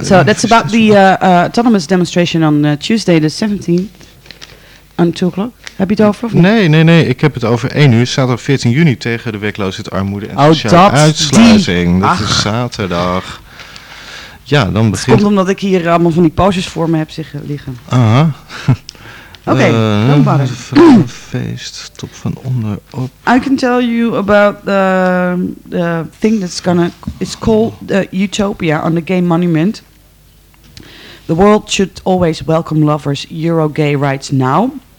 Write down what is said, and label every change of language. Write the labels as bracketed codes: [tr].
[en] so that's about the autonomous demonstration on Tuesday the 17th on 2 o'clock. [nl] Heb je het over? Nee. Ik heb het over 1 uur. Zaterdag 14 juni tegen de werkloosheid, armoede en sociale uitsluiting. Dat is zaterdag. Ja, dan begint... Het komt omdat ik hier allemaal van die pauzes voor me heb liggen. Aha. Oké, vrouwenfeest, top van onder op. [en] I can tell you about the thing that's gonna... It's called the Utopia on the Gay Monument. The world should always welcome lovers, Euro gay rights now.